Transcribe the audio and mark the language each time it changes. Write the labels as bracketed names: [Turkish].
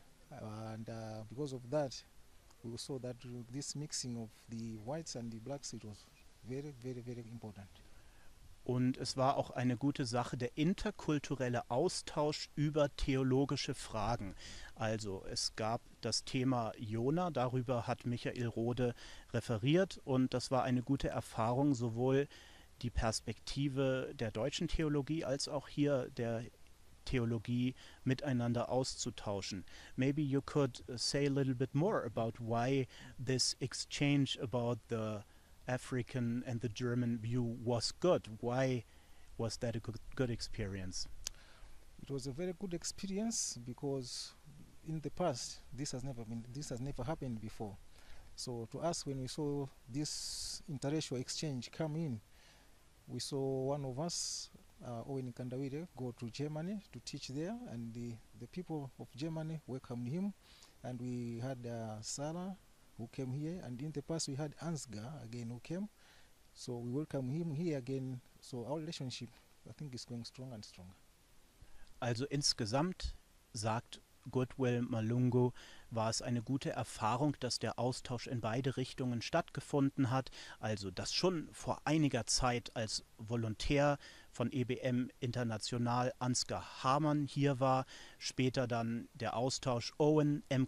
[English] Because of that, we saw that this mixing of the whites and the blacks, it was very, very, very important. [German] Und es war auch eine gute Sache, der interkulturelle Austausch über theologische Fragen. Also es gab das Thema Jona, darüber hat Michael Rode referiert. Und das war eine gute Erfahrung, sowohl die Perspektive der deutschen Theologie als auch hier der Theologie miteinander auszutauschen. [English] Maybe you could say a little bit more about why this exchange about the African and the German view was good. Why was that a good experience? It was a very good experience because in the past this has never happened before. So to us, when we saw this interracial exchange come in, we saw one of us, Owen Kandawire, go to Germany to teach there, and the people of Germany welcomed him, and we had Sarah, who came here, and in the past we had Ansgar again who came, so we welcome him here again. So our relationship, I think, is going stronger and stronger. [German] Also insgesamt, sagt Goodwill Malungu, war es eine gute Erfahrung, dass der Austausch in beide Richtungen stattgefunden hat. Also dass schon vor einiger Zeit als Volontär von EBM International Ansgar Hamann hier war, später dann der Austausch Owen M.